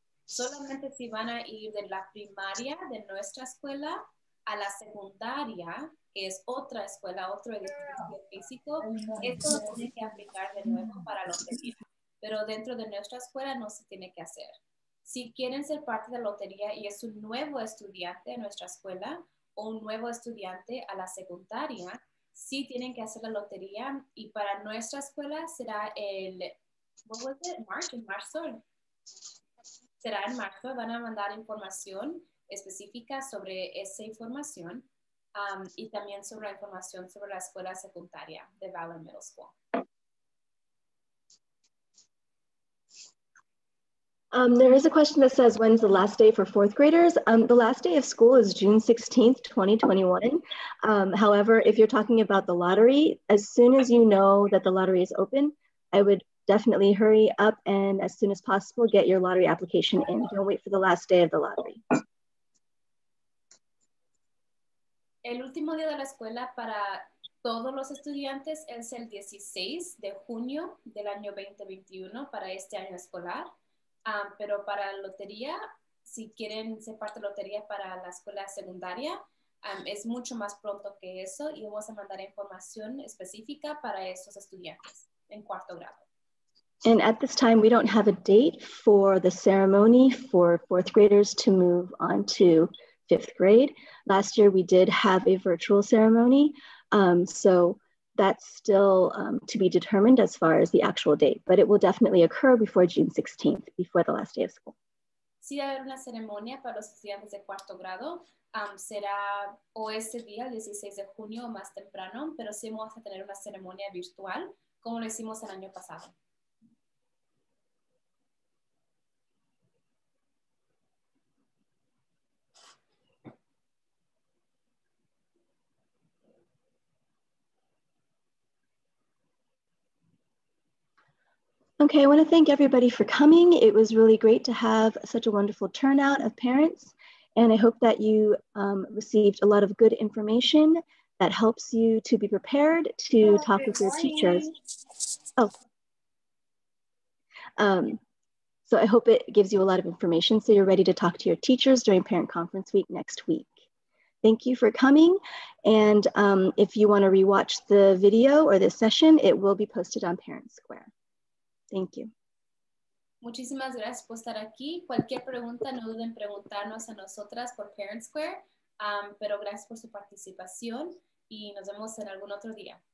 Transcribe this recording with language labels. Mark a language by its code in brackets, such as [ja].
[es] Solamente si van a ir de la primaria de nuestra escuela a la secundaria, que es otra escuela, otro edificio físico, esto lo tiene que aplicar de nuevo para la lotería. Pero dentro de nuestra escuela no se tiene que hacer. Si quieren ser parte de la lotería y es un nuevo estudiante de nuestra escuela, o un nuevo estudiante a la secundaria, sí tienen que hacer la lotería. Y para nuestra escuela será el, [en] what was it? March, [es] en marzo. Será en marzo, van a mandar información específica sobre esa información y también sobre la información sobre la escuela secundaria de Valor Middle School. [en] There is a question that says, when's the last day for fourth graders? The last day of school is June 16th, 2021. However, if you're talking about the lottery, as soon as you know that the lottery is open, I would definitely hurry up and as soon as possible, get your lottery application in. Don't wait for the last day of the lottery. [es] El último día de la escuela para todos los estudiantes es el 16 de junio del año 2021 para este año escolar. Pero para la lotería, si quieren ser parte de la lotería para la escuela secundaria, es mucho más pronto que eso y vamos a mandar información específica para esos estudiantes en cuarto grado. [en] And at this time, we don't have a date for the ceremony for fourth graders to move on to fifth grade. Last year, we did have a virtual ceremony, so that's still to be determined as far as the actual date, but it will definitely occur before June 16th, before the last day of school. Si hay una ceremonia para los estudiantes de cuarto grado, será o ese día, el 16 de junio, o más temprano, pero sí vamos a tener una ceremonia virtual, como lo hicimos el año pasado. Okay, I want to thank everybody for coming. It was really great to have such a wonderful turnout of parents, and I hope that you received a lot of good information that helps you to be prepared to talk with your teachers. So I hope it gives you a lot of information so you're ready to talk to your teachers during Parent Conference Week next week. Thank you for coming. And if you want to rewatch the video or this session, it will be posted on Parent Square. Thank you. [es] Muchísimas gracias por estar aquí. Cualquier pregunta, no duden en preguntarnos a nosotras por Parent Square. Pero gracias por su participación y nos vemos en algún otro día.